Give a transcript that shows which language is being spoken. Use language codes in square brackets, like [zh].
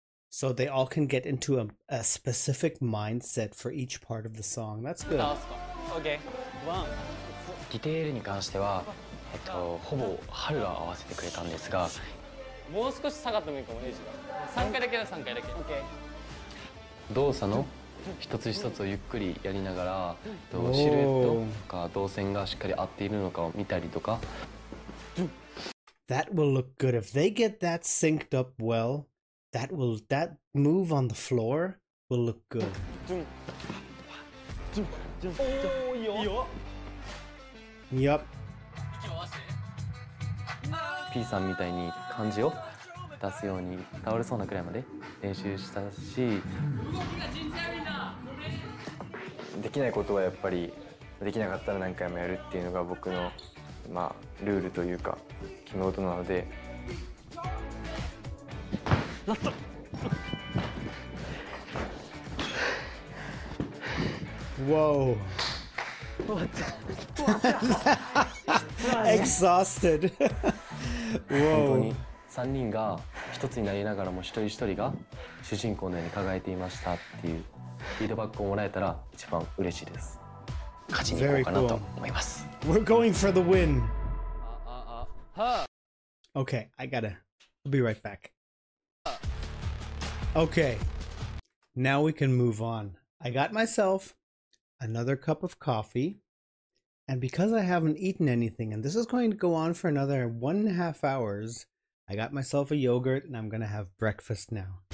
[en] So they all can get into a specific mindset for each part of the song. That's good. OK. [ja] ディテールに関しては、ほぼ春が合わせてくれたんですが。もう少し下がってもいいかも、エイジが。 3回だけだ、3回だけ。 OK。動作の一つ一つをゆっくりやりながら、シルエットとか動線がしっかり合っているのかを見たりとか。 [en] That will look good. If they get that synced up well, that move on the floor will look good. Yup. [ja] P さんみたいに感じを出すように倒れそうなくらいまで練習したし。動きが尋常みんな。できないことはやっぱりできなかったら何回もやるっていうのが僕の。まあ、ルールというか決め事なのでラストわお Exhausted 本当に3人が一つになりながらも一人一人が主人公のように輝いていましたっていうフィードバックをもらえたら一番嬉しいです勝ちに行こうかなと思います [en] We're going for the winOkay, I'll be right back. Okay, now we can move on. I got myself another cup of coffee, and because I haven't eaten anything, and this is going to go on for another 1.5 hours, I got myself a yogurt, and I'm gonna have breakfast now.